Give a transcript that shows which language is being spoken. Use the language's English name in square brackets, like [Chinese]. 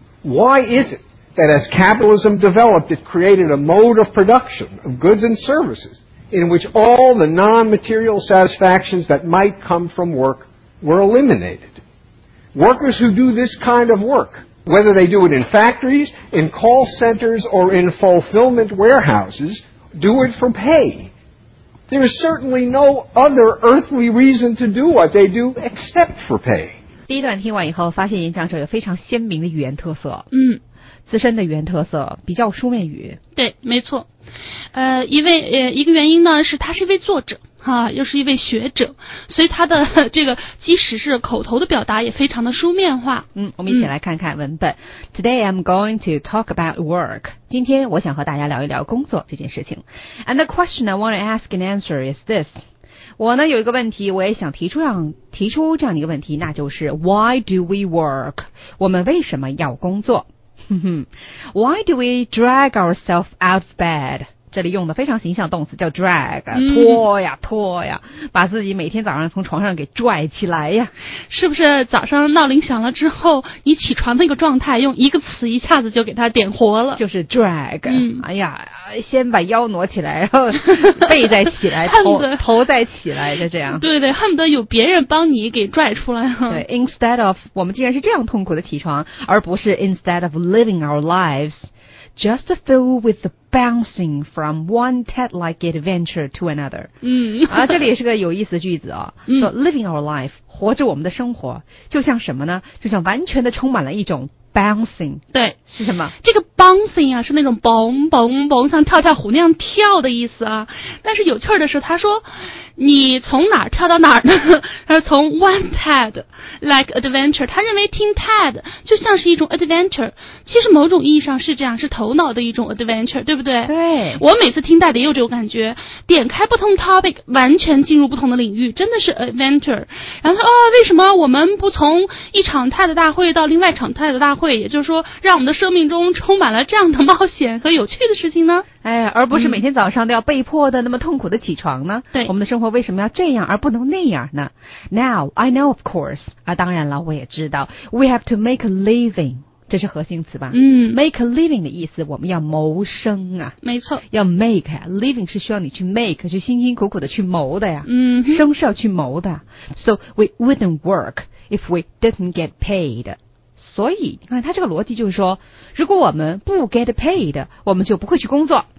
[English] Why is it that as capitalism developed, it created a mode of production of goods and services in which all the non-material satisfactions that might come from work were eliminated? Workers who do this kind of work, whether they do it in factories, in call centers, or in fulfillment warehouses, do it for pay. There is certainly no other earthly reason to do what they do except for pay. [Chinese] 第一段听完以后，发现演讲者有非常鲜明的语言特色。嗯。自身的语言特色比较书面语，对，没错。一个原因呢是他是一位作者哈、啊，又是一位学者，所以他的这个即使是口头的表达也非常的书面化。嗯，我们一起来看看文本。 [English] Today I'm going to talk about work. [Chinese] 今天我想和大家聊一聊工作这件事情。 [English] And the question I want to ask and answer is this. [Chinese] 我呢有一个问题，我也想提出这样一个问题，那就是 [English] Why do we work? [Chinese] 我们为什么要工作？ [English] Why do we drag ourselves out of bed? [Chinese] 这里用的非常形象动词叫 drag, 拖呀拖呀，把自己每天早上从床上给拽起来呀。是不是早上闹铃响了之后，你起床那个状态用一个词一下子就给它点活了，就是 drag,哎呀，先把腰挪起来，然后背再起来头再起来，就这样。对对，恨不得有别人帮你给拽出来了。 [English] 对， instead of, [Chinese] 我们竟然是这样痛苦的起床，而不是 [English] instead of living our lives, just filled with the bouncing from one Ted-like adventure to another. [Chinese] 嗯。啊，这里也是个有意思的句子哦。说 [English] living our life, [Chinese] 活着我们的生活，就像什么呢？就像完全的充满了一种bouncing, 对，是什么？这个 bouncing 啊，是那种蹦蹦蹦，像跳跳虎那样跳的意思啊。但是有趣的是，他说，你从哪儿跳到哪儿呢？他说从 [English] one Ted like adventure, [Chinese] 他认为听 Ted 就像是一种 adventure, 其实某种意义上是这样，是头脑的一种 adventure, 对不对？对。我每次听 Ted 也有这种感觉，点开不同 topic, 完全进入不同的领域，真的是 adventure。然后他说，哦，为什么我们不从一场 Ted 大会到另外一场 Ted 大会，也就是说让我们的生命中充满了这样的冒险和有趣的事情呢，哎，而不是每天早上都要被迫的那么痛苦的起床呢，对，我们的生活为什么要这样而不能那样呢？ [English] Now I know of course、 [Chinese] 啊、当然了，我也知道 [English] We have to make a living, [Chinese] 这是核心词吧。嗯， [English] make a living [Chinese] 的意思我们要谋生啊，没错，要 make、啊、living 是需要你去 make, 去辛辛苦苦的去谋的呀。嗯，生是要去谋的。 [English] So we wouldn't work if we didn't get paid, [Chinese] 所以你看他这个逻辑就是说，如果我们不 [English] get paid, [Chinese] 我们就不会去工作。